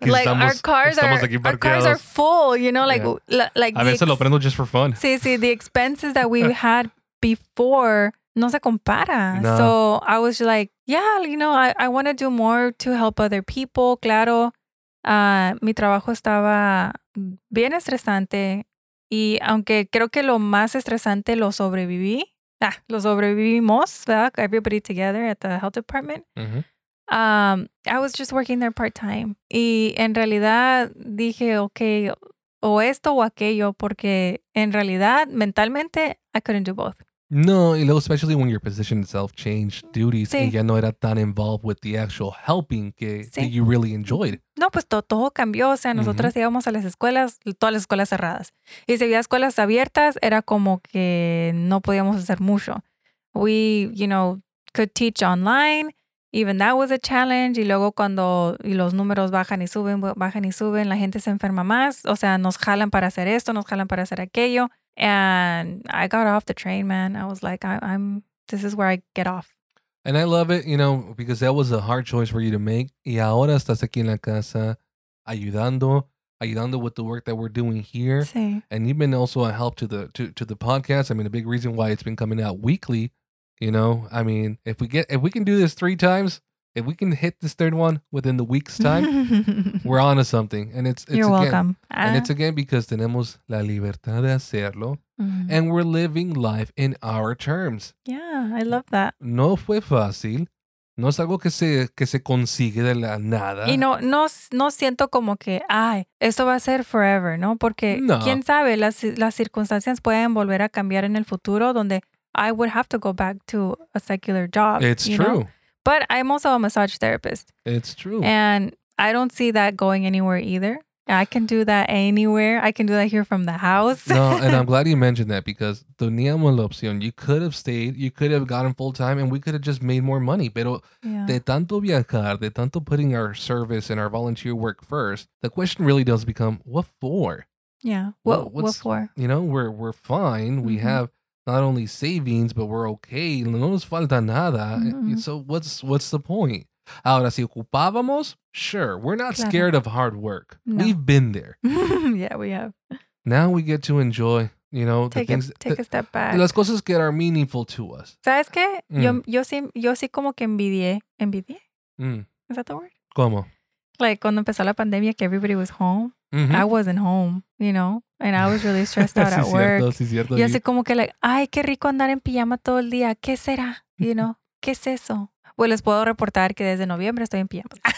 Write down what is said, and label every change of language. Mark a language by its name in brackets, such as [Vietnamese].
[English] like our cars are full, you know, like, yeah. Like [Spanish] a veces lo prendo [English] just for fun. [Spanish] Sí, sí, [English] the expenses that we had before [Spanish] no se compara. [English] Nah. So I was like, yeah, you know, I want to do more to help other people. [Spanish] Claro, mi trabajo estaba bien estresante. Y aunque creo que lo más estresante lo sobreviví. Ah, lo sobrevivimos, ¿verdad? [English] Everybody together at the health department. I was just working there part-time. [Spanish] Y en realidad dije, okay, o esto o aquello, porque en realidad, mentalmente, [English] I couldn't do both. [Spanish] No, y luego, [English] especially when your position itself changed duties, [Spanish] sí. Y ya no era tan [English] involved with the actual helping [Spanish] que, sí. [English] Que you really enjoyed. [Spanish] No, pues todo cambió. O sea, nosotros íbamos a las escuelas, todas las escuelas cerradas. Y si había escuelas abiertas, era como que no podíamos hacer mucho. [English] We, you know, could teach online. Even that was a challenge. [Spanish] Y luego cuando y los números bajan y suben, la gente se enferma más. O sea, nos jalan para hacer esto, nos jalan para hacer aquello. [English] And I got off the train, man. I was like, I'm this is where I get off. And I love it, you know, because that was a hard choice for you to make. [Spanish] Y ahora estás aquí en la casa ayudando [English] with the work that we're doing here. [Spanish] Sí. [English] And you've been also a help to the podcast. I mean, a big reason why it's been coming out weekly, you know. I mean, if we can do this 3 times, if we can hit this 3rd one within the week's time, we're on to something. And it's you're again, welcome. And it's again because [Spanish] tenemos la libertad de hacerlo. [English] And we're living life in our terms. Yeah, I love that. [Spanish] No fue fácil. No es algo que se consigue de la nada. Y no siento como que, ay, esto va a ser forever, ¿no? Porque no. Quién sabe, las circunstancias pueden volver a cambiar en el futuro donde, [English] I would have to go back to a secular job. It's true. Know? But I'm also a massage therapist. It's true. And I don't see that going anywhere either. I can do that anywhere. I can do that here from the house. No, and I'm glad you mentioned that because [Spanish] teníamos la opción. [English] You could have stayed. You could have gotten full time and we could have just made more money. Pero yeah. [Spanish] De tanto viajar, de tanto [English] putting our service and our volunteer work first, the question really does become, what for? Yeah. What for? You know, we're fine. Mm-hmm. We have not only savings, but we're okay. [Spanish] No nos falta nada. Mm-hmm. [English] So what's the point? [Spanish] Ahora, si ocupábamos, [English] sure. We're not scared of hard work. No. We've been there. Yeah, we have. Now we get to enjoy, you know, take a step back. [Spanish] Las cosas que [English] are meaningful to us. [Spanish] ¿Sabes qué? Yo sí como que envidié. ¿Envidié? Mm. [English] Is that the word? [Spanish] ¿Cómo? Like, cuando empezó la pandemia, que [English] everybody was home. Mm-hmm. I wasn't home, you know, and I was really stressed out [Spanish] sí, [English] at [Spanish] cierto, [English] work. [Spanish] Sí, cierto. Y así como que [English] like, [Spanish] ay, qué rico andar en pijama todo el día. ¿Qué será? [English] You know, [Spanish] ¿qué es eso? Pues les puedo reportar que desde noviembre estoy en pijama.